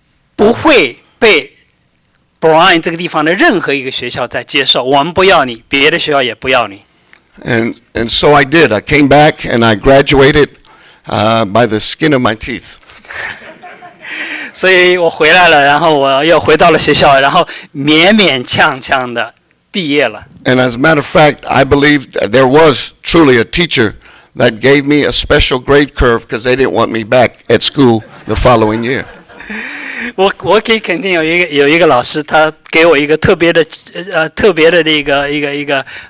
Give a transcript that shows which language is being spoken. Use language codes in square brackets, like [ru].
[zh] 然后他们说，最后的一年，如果你再犯任何错误，你不会被 Bryan 这个地方的任何一个学校再接受。我们不要你，别的学校也不要你。 [en] And so I did. I came back and I graduated by the skin of my teeth. [zh] 所以我回来了，然后我又回到了学校，然后勉勉强强的毕业了。 [en] And as a matter of fact, I believe there was truly a teacher that gave me a special grade curve because they didn't want me back at school the following year. [zh] 我可以肯定有一个老师，他给我一个特别的那个。